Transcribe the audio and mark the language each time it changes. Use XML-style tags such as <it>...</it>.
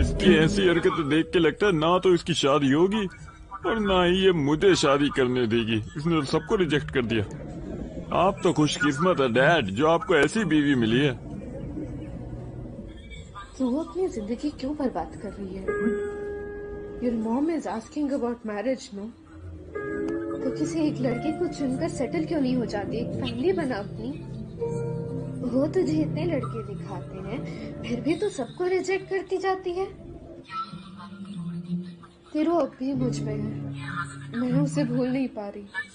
<hi>इसकी ऐसी हरकत देख के लगता है ना तो इसकी शादी होगी और ना ही ये मुझे शादी करने देगी। इसने तो सबको रिजेक्ट कर दिया। आप तो खुशकिस्मत है डैड जो आपको ऐसी बीवी मिली है। तू अपनी जिंदगी क्यों बर्बाद कर रही है?</hi> <en>Your mom is asking about marriage, no?</en> <hi>तो किसी एक लड़के को चुनकर सेटल क्यों नहीं हो जाती? एक फैमिली बना अपनी। वो तुझे इतने लड़के दिखाते हैं, फिर भी तू सबको रिजेक्ट करती जाती है। तेरो अब भी मुझ में है, मैं उसे भूल नहीं पा रही।</hi>